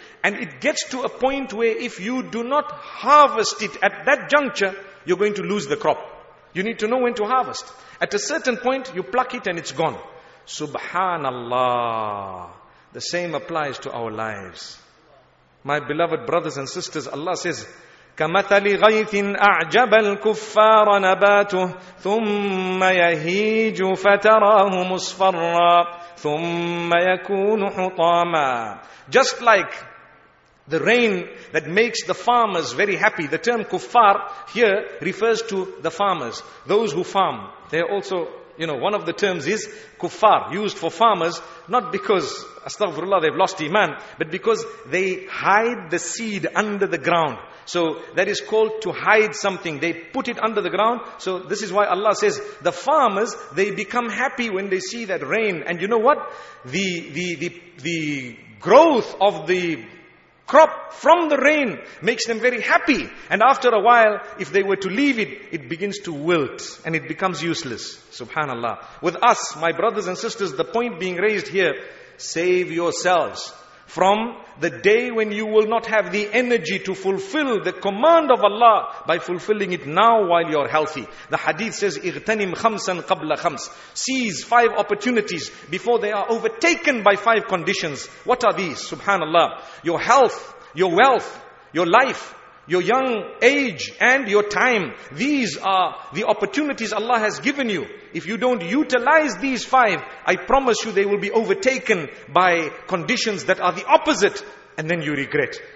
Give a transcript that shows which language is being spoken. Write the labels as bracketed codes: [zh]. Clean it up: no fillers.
[en] And it gets to a point where if you do not harvest it at that juncture, you're going to lose the crop. You need to know when to harvest. At a certain point, you pluck it and it's gone. Subhanallah. The same applies to our lives. My beloved brothers and sisters, Allah says, [ar] كَمَثَلِ غَيْثٍ أَعْجَبَ الْكُفَّارَ نَبَاتُهُ ثُمَّ يَهِيجُ فَتَرَاهُ مُصْفَرًّا ثُمَّ يَكُونُ حُطَامًا. [en] Just like the rain that makes the farmers very happy. The term kuffar here refers to the farmers, those who farm. They're also, you know, one of the terms is kuffar, used for farmers, not because, astaghfirullah, they've lost iman, but because they hide the seed under the ground. So that is called to hide something. They put it under the ground. So this is why Allah says, the farmers, they become happy when they see that rain. And you know what? The growth of the crop from the rain makes them very happy. And after a while, if they were to leave it, it begins to wilt and it becomes useless. Subhanallah. With us, my brothers and sisters, the point being raised here, save yourselves from the day when you will not have the energy to fulfill the command of Allah by fulfilling it now while you're healthy. The hadith says, [ar] اغتنم خمسا قبل خمس. [en] Seize five opportunities before they are overtaken by five conditions. What are these? Subhanallah. Your health, your wealth, your life, your young age, and your time. These are the opportunities Allah has given you. If you don't utilize these five, I promise you they will be overtaken by conditions that are the opposite, and then you regret.